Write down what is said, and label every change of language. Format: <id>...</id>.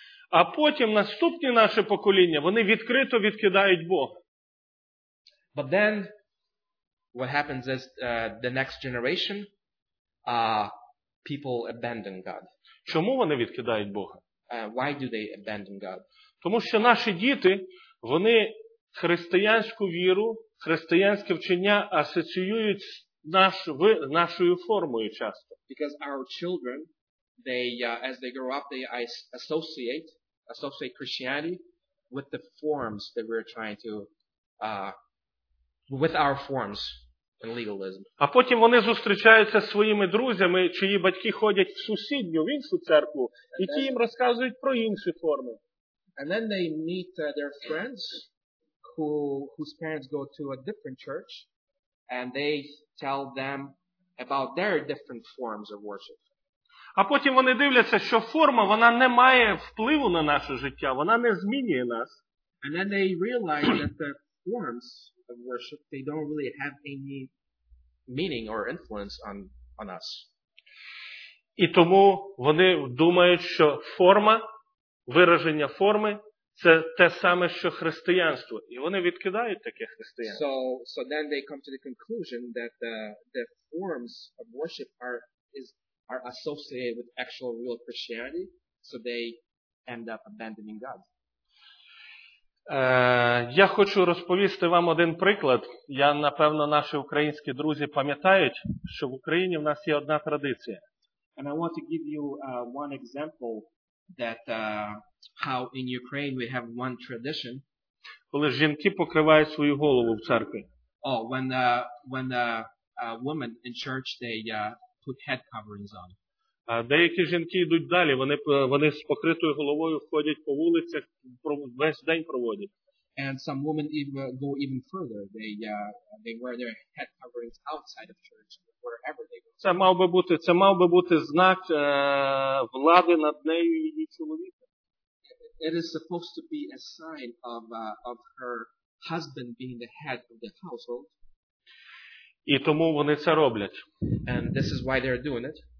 <uk>А потім наступні наше покоління, вони відкрито відкидають Бога.</uk> <en>But then what happens is the next generation people abandon God.</en> <uk>Чому вони відкидають Бога?</uk> <en>Why do they abandon God?</en> <uk>Тому що наші діти, вони християнську віру, християнське вчення асоціюють нашою формою часто.</uk> <en>Because our children, as they grow up, they associate Christianity with the forms that we're trying to with our forms and legalism.</en> <uk>А потім вони зустрічаються з своїми друзями, чиї батьки ходять в сусідню, в іншу церкву, і ті їм розказують про інші форми.</uk> <en>And then they meet their friends whose parents go to a different church, and they tell them about their different forms of worship.</en> <uk>А потім вони дивляться, що форма, вона не має впливу на наше життя, вона не змінює нас.</uk> <en>And then they realize that the forms of worship, they don't really have any meaning or influence on us.</en> <uk>І тому вони думають, що форма, вираження форми, це те саме, що християнство. І вони відкидають таке християнство.</uk> <en>So then they come to the conclusion that the forms of worship are associated with actual real Christianity, so they end up abandoning God.</en> <uk>Я хочу розповісти вам один приклад. Я, напевно, наші українські друзі пам'ятають, що в Україні в нас є одна традиція.</uk> <en>And I want to give you one example that how in Ukraine we have one tradition.</en> <uk>коли жінки покривають свою голову в церкві.</uk> <en>Oh, when the women in church, they put head coverings on.</en> <uk>А деякі жінки йдуть далі, вони з покритою головою ходять по вулицях, весь день проводять.</uk> <en>And some women go even further. They wear their head coverings outside of church, wherever they go.</en> <uk>Це мав би бути знак влади над нею і її чоловіком.</uk> <en>It is supposed to be a sign of her husband being the head of the household.</en> <uk>І тому вони це роблять.</uk> <en>And this is why they're doing it.</en>